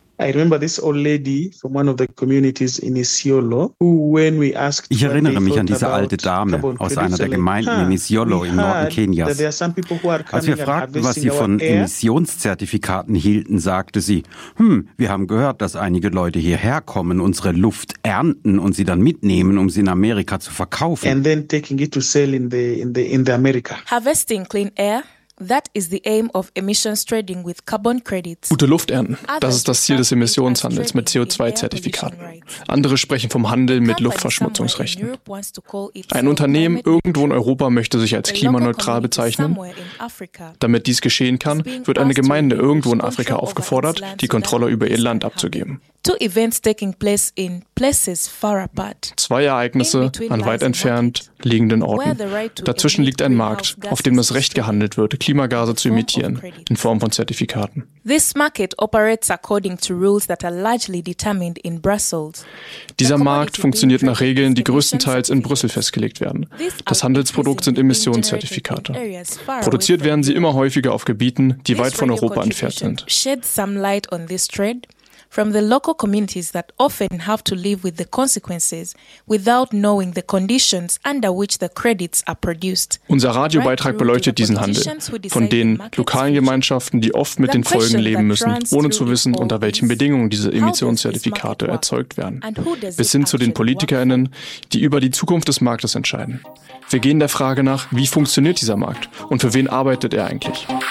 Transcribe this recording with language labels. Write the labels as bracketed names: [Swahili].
[German] Ich erinnere mich an diese alte Dame aus einer der Gemeinden in Isiolo im Norden Kenias. Als wir fragten, was sie von Emissionszertifikaten hielten, sagte sie, wir haben gehört, dass einige Leute hierher kommen, unsere Luft ernten und sie dann mitnehmen, um sie in Amerika zu verkaufen. [English] Harvesting clean air That is the aim of emissions trading with carbon credits. [German] Gute Luft ernten. Das ist das Ziel des Emissionshandels mit CO2-Zertifikaten. Andere sprechen vom Handel mit Luftverschmutzungsrechten. Ein Unternehmen irgendwo in Europa möchte sich als klimaneutral bezeichnen. Damit dies geschehen kann, wird eine Gemeinde irgendwo in Afrika aufgefordert, die Kontrolle über ihr Land abzugeben. [English] Two events taking place in places far apart. [German] Zwei Ereignisse an weit entfernt liegenden Orten. Dazwischen liegt ein Markt, auf dem das Recht gehandelt wird, Klimagase zu emittieren, in Form von Zertifikaten. [English] This market operates according to rules that are largely determined in Brussels. [German] Dieser Markt funktioniert nach Regeln, die größtenteils in Brüssel festgelegt werden. Das Handelsprodukt sind Emissionszertifikate. Produziert werden sie immer häufiger auf Gebieten, die weit von Europa entfernt sind. [English] From the local communities that often have to live with the consequences without knowing the conditions under which the credits are produced. [German] Unser Radiobeitrag beleuchtet diesen Handel von den lokalen Gemeinschaften, die oft mit den Folgen leben müssen, ohne zu wissen, unter welchen Bedingungen diese Emissionszertifikate erzeugt werden, bis hin zu den PolitikerInnen, die über die Zukunft des Marktes entscheiden. Wir gehen der Frage nach, wie funktioniert dieser Markt und für wen arbeitet er eigentlich?